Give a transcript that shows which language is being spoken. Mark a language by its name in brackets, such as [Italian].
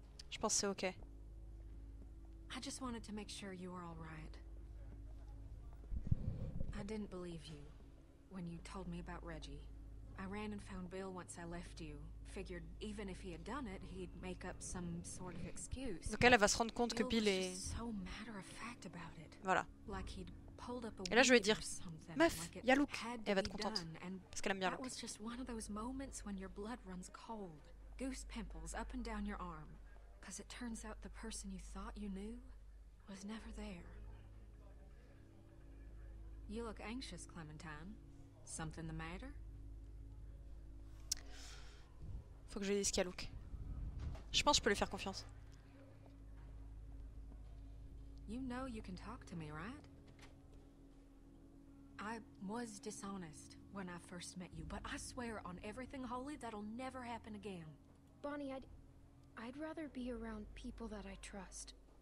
[French] Je pense que c'est okay. [English] I just wanted to make sure you were all right. I didn't believe you when you told me about Reggie. I ran and found Bill once I left you. Figured even if he had done it, he'd make up some sort of excuse. [French] Donc elle va se rendre compte que Bill est [English] so matter of fact about it. [French] Voilà. [English] Like he'd pulled up a [French] et là je vais dire meuf, il y a Luke et elle va être contente parce qu'elle aime bien. [English] That was just one of those moments when your blood runs cold, goose pimples up and down your arm, because it turns out the person you thought you knew was never there. You look anxious, Clementine. Something the matter? [French] Faut que je dise qu'il y a Luke. Je pense que je peux lui faire confiance. [English] You know you can talk to me, right? I was dishonest when I first met you, but I swear on everything holy that'll never happen again. Bonnie, I'd rather be around people that I trust.